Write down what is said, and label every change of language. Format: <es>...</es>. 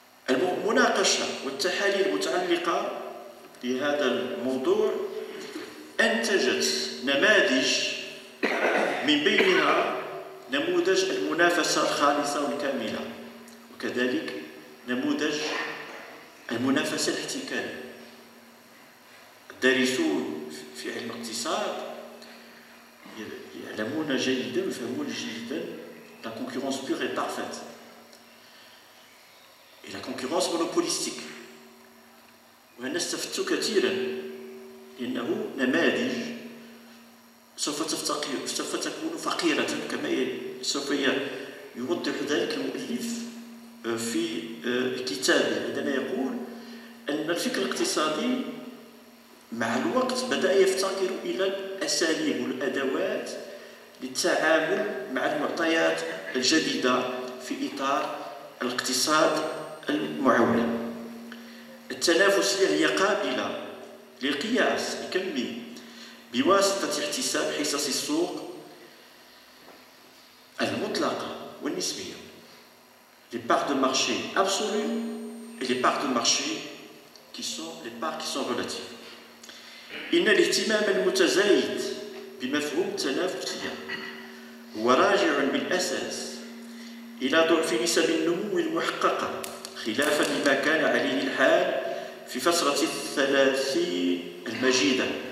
<ar>المناقشة والتحاليل المتعلقة بهذا الموضوع أنتجت نماذج، من بينها نموذج المنافسة الخالصة والكاملة، وكذلك نموذج المنافسة الاحتكارية. الدارسون في علم الاقتصاد يعلمون جيدا ويفهمون جيدا</ar> <fr>la concurrence pure et parfaite. Et la concurrence monopolistique.</fr> <ar>وأنا استفدت كثيرا لأنه نماذج سوف تفتقر سوف تكون فقيرة كما سوف يوضح ذلك المؤلف في كتابه عندما يقول أن الفكر الاقتصادي مع الوقت بدأ يفتقر إلى الأساليب والأدوات للتعامل مع المعطيات الجديدة في إطار الاقتصاد المعول. التنافس هي قابلة للقياس الكمي بواسطة احتساب حصص السوق المطلقة والنسبية.</ar> <fr>Les parts de marché absolues et les parts de marché qui sont les parts qui sont relatives.</fr> <ar>إن الاهتمام المتزايد بمفهوم التنافسية هو راجع بالأساس إلى ضعف نسب النمو المحققة خلافا لما كان عليه الحال في فترة الثلاثين المجيدة.</ar>